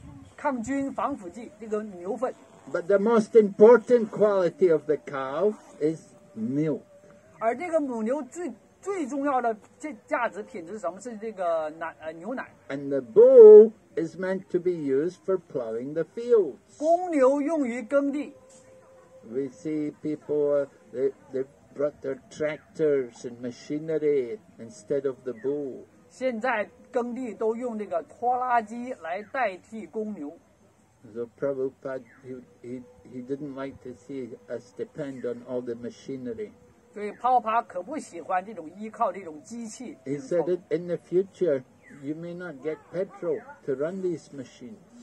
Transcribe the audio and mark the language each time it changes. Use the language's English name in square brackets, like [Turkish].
[Chinese] 而且这对这个防腐剂、抗菌防腐剂，这个牛粪。 [English] But the most important quality of the cow is milk. [Chinese] 而这个母牛最重要的价值品质是什么？是这个牛奶。 [English] And the bull is meant to be used for plowing the fields. [Chinese] 公牛用于耕地。 [English] We see people, they brought their tractors and machinery instead of the bull. [Chinese] 现在耕地都用这个拖拉机来代替公牛。 [English] So Prabhupada, he didn't like to see us depend on all the machinery. [Chinese] 所以泡泡可不喜欢这种依靠这种机器。 [English] He said that in the future, you may not get petrol to run these machines.